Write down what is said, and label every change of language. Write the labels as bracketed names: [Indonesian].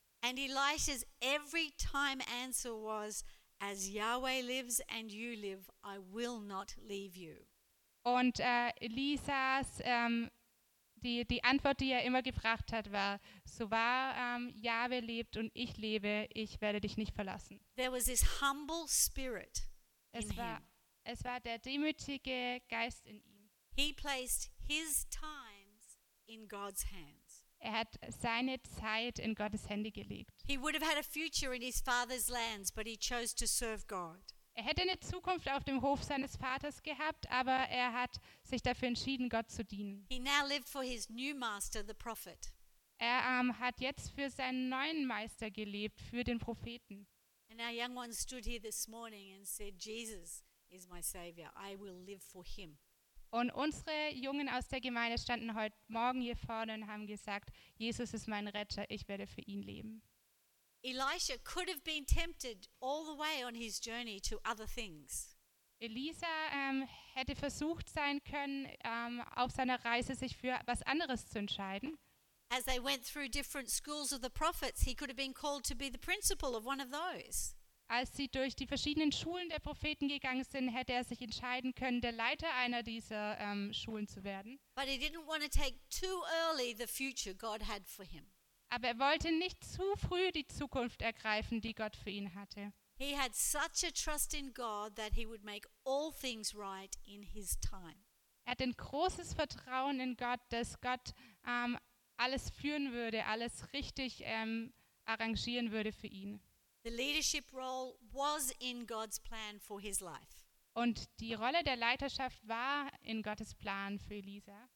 [English] And Elisha's every time answer was, as Yahweh lives and you live, I will not leave you. [German] Und Elisas die Antwort, die er immer gebracht hat, war, so wahr Yahweh lebt und ich lebe, ich werde dich nicht verlassen. [English] There was this humble spirit in him. [German] Es war der demütige Geist in ihm. [English] He placed his times in God's hands. [German] Er hat seine Zeit in Gottes Hände gelegt. [English] He would have had a future in his father's lands, but he chose to serve God. [German] Er hätte eine Zukunft auf dem Hof seines Vaters gehabt, aber er hat sich dafür entschieden, Gott zu dienen. [English] He now lived for his new master, the prophet. [German] Er hat jetzt für seinen neuen Meister gelebt, für den Propheten. [English] And our young one stood here this morning and said, Jesus is my savior. I will live for him. [German] Und unsere Jungen aus der Gemeinde standen heute Morgen hier vorne und haben gesagt, Jesus ist mein Retter, ich werde für ihn leben. [English] Elisha could have been tempted all the way on his journey to other things. [German] Elisa hätte versucht sein können, auf seiner Reise sich für was anderes zu entscheiden. [English] As they went through different schools of the prophets, he could have been called to be the principal of one of those. [German] Als sie durch die verschiedenen Schulen der Propheten gegangen sind, hätte er sich entscheiden können, der Leiter einer dieser Schulen zu werden. [English] But he didn't want to take too early the future God had for him. [German] Aber er wollte nicht zu früh die Zukunft ergreifen, die Gott für ihn hatte. [English] He had such a trust in God that he would make all things right in his time. [German] Er hat ein großes Vertrauen in Gott, dass Gott alles führen würde, alles richtig arrangieren würde für ihn. [English] The leadership role was in God's plan for his life. [German] Und die Rolle der Leiterschaft war in Gottes Plan für Elisa.